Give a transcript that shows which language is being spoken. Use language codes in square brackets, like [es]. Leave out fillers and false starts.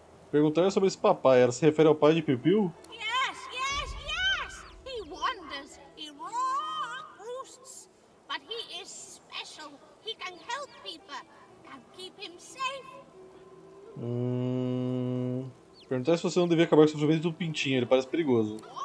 [pt] Perguntaram sobre esse papai, ela se refere ao pai de Piu-Piu? [en] Yes, yes, yes! He wanders, he roosts, but he is special. He can help people, can keep him safe. [pt] Perguntaram se você não devia acabar com o sofrimento do pintinho, ele parece perigoso.